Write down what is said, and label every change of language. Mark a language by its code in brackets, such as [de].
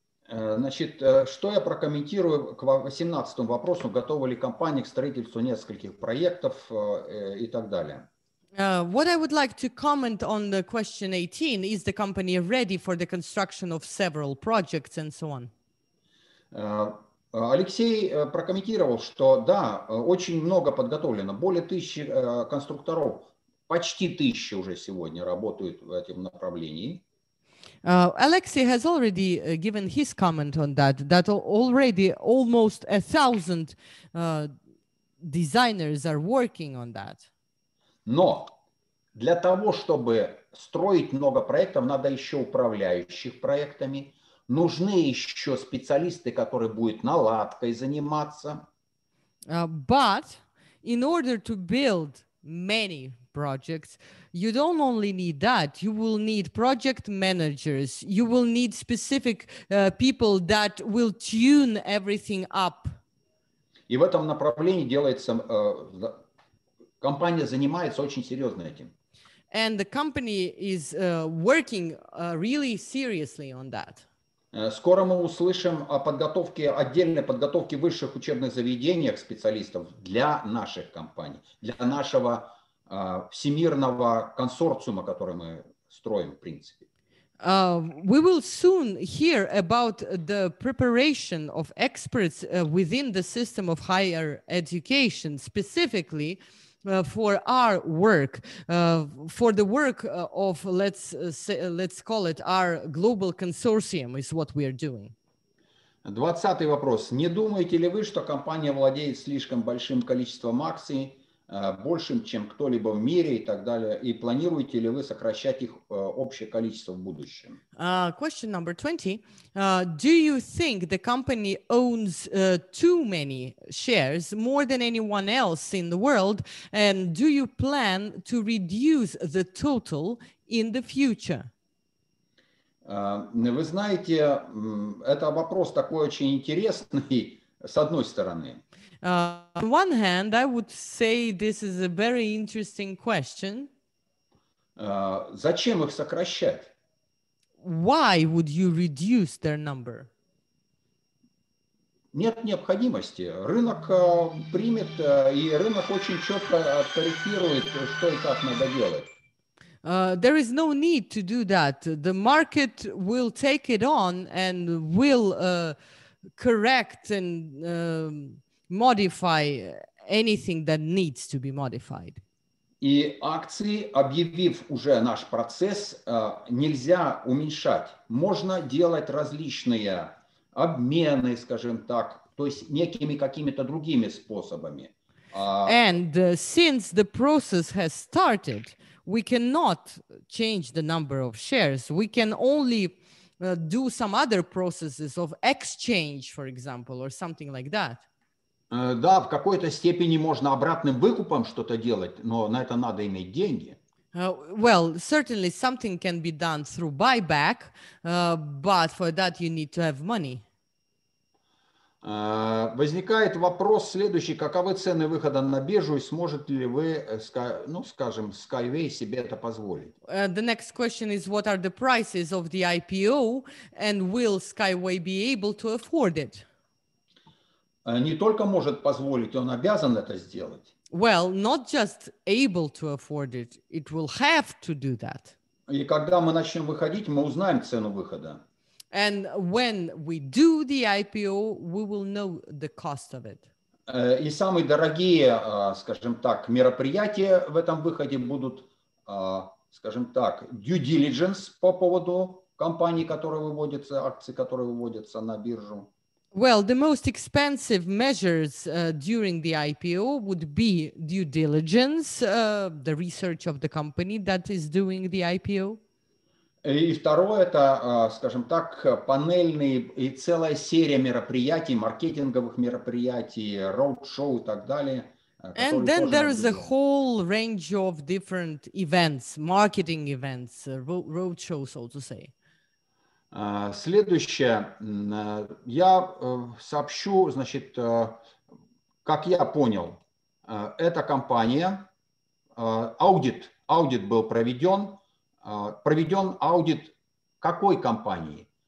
[ru] Значит, что я прокомментирую к 18-му вопросу, готовы ли компании к строительству нескольких проектов и так далее. [en] What I would like to comment on the question 18, is the company ready for the construction of several projects and so on? [ru] Алексей прокомментировал, что да, очень много подготовлено, более 1000 конструкторов, почти 1000 уже сегодня работают в этом направлении. [en] Alexei has already given his comment on that, that already almost 1000 designers are working on that. [ru] Но для того, чтобы строить много проектов, надо еще управляющих проектами. Нужны еще специалисты, которые будут наладкой заниматься. [en] But in order to build many projects, you don't only need that. You will need project managers. You will need specific people that will tune everything up. [ru] И в этом направлении делается... Компания занимается очень серьезно этим. [en] And the company is working really seriously on that. [ru] Скоро мы услышим о подготовке, отдельной подготовке в высших учебных заведениях специалистов для наших компаний, для нашего всемирного консорциума, который мы строим, в принципе. [en] We will soon hear about the preparation of experts within the system of higher education, specifically for our work, for the work of, let's call it, our global consortium is what we are doing. [ru] 20-й вопрос. Не думаете ли вы, что компания владеет слишком большим количеством акций, большим, чем кто-либо в мире и так далее, и планируете ли вы сокращать их общее количество в будущем? [en] Question number 20. Do you think the company owns too many shares, more than anyone else in the world, and do you plan to reduce the total in the future? [ru] Вы знаете, это вопрос такой очень интересный, с одной стороны. [en] On one hand, I would say this is a very interesting question. [ru] Зачем их сокращать? [en] Why would you reduce their number? [ru] Нет необходимости. Рынок примет, и рынок очень четко откорректирует, что и как надо делать. [en] There is no need to do that. The market will take it on and will correct and... modify anything that needs to be modified. [ru] И акции, объявив уже наш процесс, нельзя уменьшать. Можно делать различные обмены, скажем так, то есть некими какими-то другими способами. [en] And since the process has started, we cannot change the number of shares. We can only do some other processes of exchange, for example, or something like that. [ru] Да, в какой-то степени можно обратным выкупом что-то делать, но на это надо иметь деньги. [en] Well, certainly something can be done through buyback, but for that you need to have money. [ru] Возникает вопрос следующий: каковы цены выхода на биржу и сможет ли вы, ну, скажем, Skyway себе это позволить? [en] The next question is: what are the prices of the IPO and will Skyway be able to afford it? [ru] Не только может позволить, он обязан это сделать. [en] Well, not just able to afford it, it will have to do that. [ru] И когда мы начнем выходить, мы узнаем цену выхода. [en] And when we do the IPO, we will know the cost of it. [ru] И самые дорогие, скажем так, мероприятия в этом выходе будут, скажем так, due diligence по поводу компании, которая выводится, акции, которые выводятся на биржу. [en] Well, the most expensive measures during the IPO would be due diligence, the research of the company that is doing the IPO. [ru] И второе, это, скажем так, панельные и целая серия мероприятий, маркетинговых мероприятий, роуд-шоу и так далее. [en] And then there is a whole range of different events, marketing events, roadshow, so to say. [ru] Следующее, я сообщу, значит, как я понял, эта компания, аудит был проведен, проведен аудит какой компании?